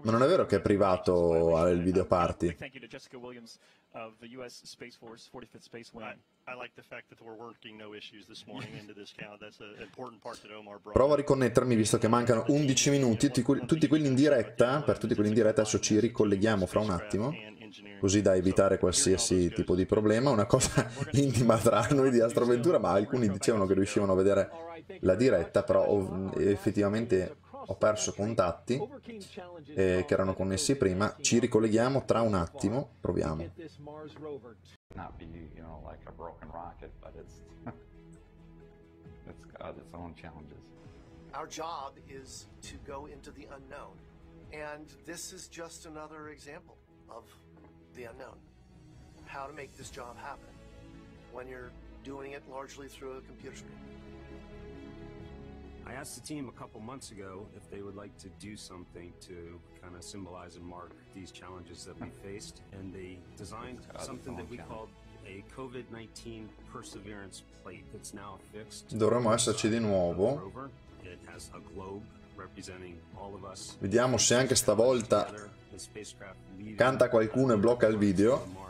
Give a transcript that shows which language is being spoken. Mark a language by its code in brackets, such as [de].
[it] Ma non è vero che è privato al video party. [en] Thank you to Jessica Williams of the US Space Force 45th Space Wing. I like the fact that we're working no issues this morning into this count. That's an important part that Omar brought. [it] Provo a riconnettermi visto che mancano 11 minuti, tutti quelli in diretta, per tutti quelli in diretta adesso ci ricolleghiamo fra un attimo. Così da evitare qualsiasi tipo di problema, una cosa intima tra noi di Astroventura, ma alcuni dicevano che riuscivano a vedere la diretta, però effettivamente ho perso contatti che erano connessi prima. Ci ricolleghiamo tra un attimo, proviamo. [en] Not be, you know, like a broken rocket, but it's it's got its own challenges. Our job is to go into the unknown, and this is just another example of the unknown. How to make this job happen when you're doing it largely through a computer screen. I asked the team a couple months ago if they would like to do something to kind of symbolize and mark these challenges that we faced, and they designed something that we called a COVID-19 perseverance plate that's now affixed. [it] Dovremmo esserci di nuovo. [en] It has a globe representing all of us. [it] Vediamo se anche stavolta canta qualcuno e blocca il video.